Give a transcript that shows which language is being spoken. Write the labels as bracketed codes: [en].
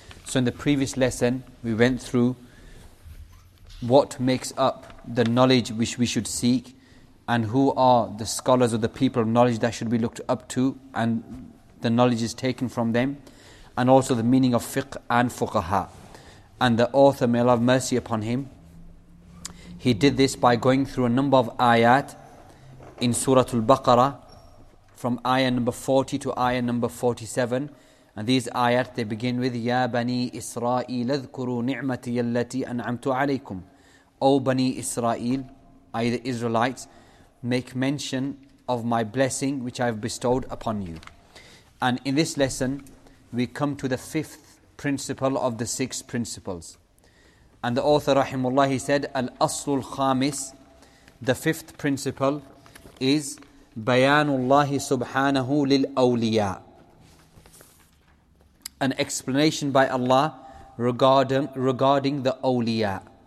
[en] So in the previous lesson, we went through what makes up the knowledge which we should seek and who are the scholars or the people of knowledge that should be looked up to, and the knowledge is taken from them, and also the meaning of fiqh and fuqaha. And the author, may Allah have mercy upon him, he did this by going through a number of ayat in Surah Al-Baqarah, from ayah number 40 to ayah number 47. And these ayat, they begin with, [ar] يَا بَنِي إِسْرَائِيلَ اذْكُرُوا نِعْمَتِيَ الَّتِي أَنْعَمْتُ عَلَيْكُمْ. [en] O Bani Israel, i.e. the Israelites, make mention of my blessing which I have bestowed upon you. And in this lesson, we come to the fifth principle of the six principles. And the author, rahimullah, he said, [ar] Al-Aslu al-Khamis, [en] the fifth principle is [ar] Bayanullahi subhanahu lil-awliya, [en] an explanation by Allah regarding the awliya.